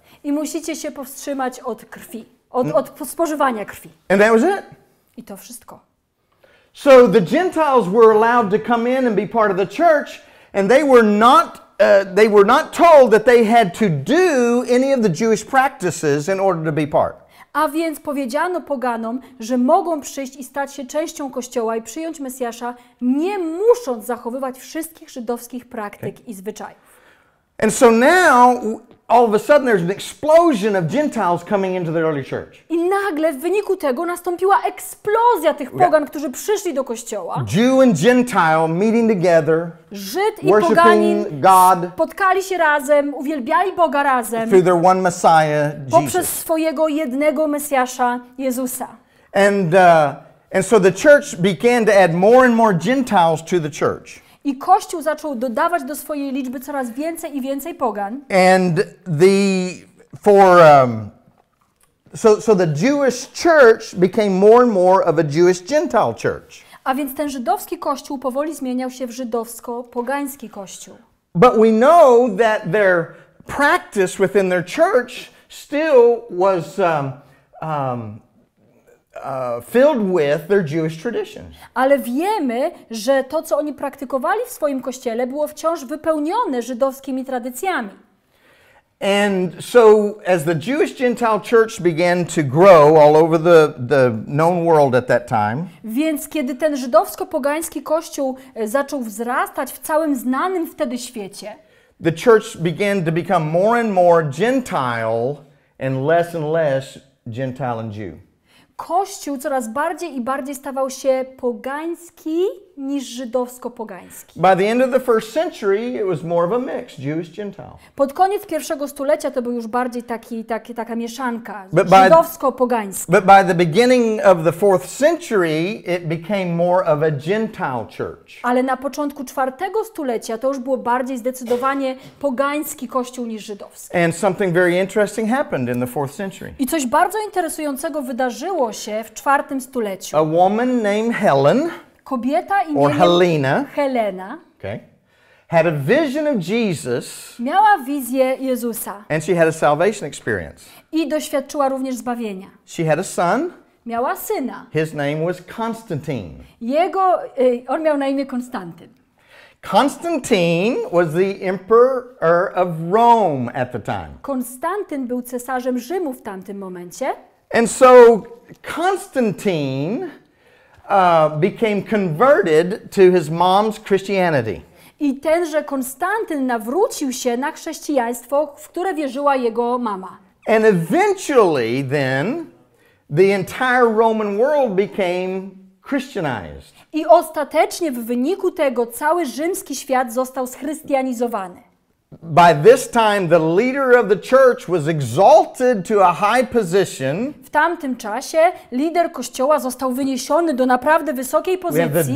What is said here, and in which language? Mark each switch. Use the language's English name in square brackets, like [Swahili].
[Polish] I musicie się powstrzymać od krwi, od spożywania krwi. [English] And that was it. [Polish] I to wszystko. [English] So the Gentiles were allowed to come in and be part of the church, and they were not told that they had to do any of the Jewish practices in order to be part. [Polish] A więc powiedziano poganom, że mogą przyjść i stać się częścią Kościoła i przyjąć Mesjasza, nie musząc zachowywać wszystkich żydowskich praktyk i zwyczajów. [English] And so now, all of a sudden, there's an explosion of Gentiles coming into the early church. [Polish] I nagle w wyniku tego nastąpiła eksplozja tych pogan, którzy przyszli do kościoła. [English] Jew and Gentile meeting together. [Polish] Żyd i poganin spotkali się razem, uwielbiali Boga razem. [English] Through their one Messiah, Jesus. [Polish] Poprzez swojego jednego Mesjasza, Jezusa. [English] And so the church began to add more and more Gentiles to the church. [Polish] I Kościół zaczął dodawać do swojej liczby coraz więcej i więcej pogan. [English] And the for so the Jewish church became more and more of a Jewish Gentile church. [Polish] A więc ten żydowski kościół powoli zmieniał się w żydowsko-pogański kościół. [English] But we know that their practice within their church still was filled with their Jewish traditions. [Polish] Ale wiemy, że to, co oni praktykowali w swoim kościele, było wciąż wypełnione żydowskimi tradycjami. [English] And so, as the Jewish Gentile church began to grow all over the known world at that time, [Polish] więc kiedy ten żydowsko-pogański kościół zaczął wzrastać w całym znanym wtedy świecie, [English] the church began to become more and more Gentile and less Gentile and Jew. [Polish] Kościół coraz bardziej i bardziej stawał się pogański niż żydowsko-pogański. [English] By the end of the first century, it was more of a mix, Jewish-Gentile. [Polish] Pod koniec pierwszego stulecia to był już bardziej taka mieszanka, żydowsko-pogański. [English] But by the beginning of the fourth century, it became more of a Gentile church. [Polish] Ale na początku czwartego stulecia to już było bardziej zdecydowanie pogański kościół niż żydowski. [English] And something very interesting happened in the fourth century. [Polish] I coś bardzo interesującego wydarzyło się w czwartym stuleciu. [English] A woman named Helen. [Polish] Kobieta [English] or Helena, [Polish] Helena, [English] okay, had a vision of Jesus. [Polish] Miała wizję Jezusa. [English] And she had a salvation experience. [Polish] I doświadczyła również zbawienia. [English] She had a son. [Polish] Miała syna. [English] His name was Constantine. [Polish] On miał na imię Konstantyn. [English] Constantine was the emperor of Rome at the time. [Polish] Konstantyn był cesarzem Rzymu w tamtym momencie. [English] And so Constantine became converted to his mom's Christianity. [Polish] I tenże Konstantyn nawrócił się na chrześcijaństwo, w które wierzyła jego mama. [English] And eventually then the entire Roman world became Christianized. [Polish] I ostatecznie w wyniku tego cały rzymski świat został schrystianizowany. [English] By this time the leader of the church was exalted to a high position. [Polish] W tamtym czasie lider kościoła został wyniesiony do naprawdę wysokiej pozycji.